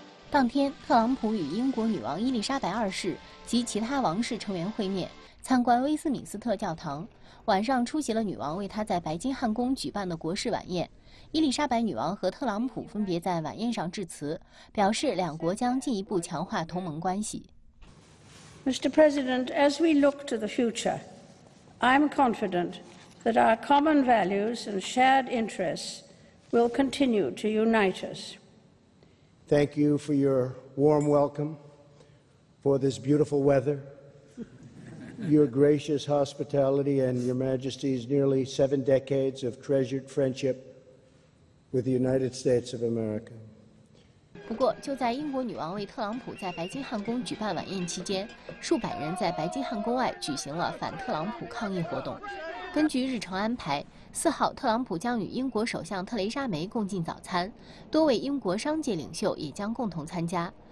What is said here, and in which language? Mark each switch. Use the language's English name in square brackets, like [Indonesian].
[Chinese] 当天，特朗普与英国女王伊丽莎白二世及其他王室成员会面，参观威斯敏斯特教堂。晚上出席了女王为她在白金汉宫举办的国事晚宴。伊丽莎白女王和特朗普分别在晚宴上致辞，表示两国将进一步强化同盟关系。 [English] Mr. President, as we look to the future, I'm confident that our common values and shared interests will continue to unite us. Thank you for your warm welcome, for this beautiful weather, your gracious hospitality, and Your Majesty's nearly seven decades of treasured friendship with the United States of America. [Chinese] 不过，就在英国女王为特朗普在白金汉宫举办晚宴期间，数百人在白金汉宫外举行了反特朗普抗议活动。根据日程安排，四号特朗普将与英国首相特蕾莎梅共进早餐，多位英国商界领袖也将共同参加。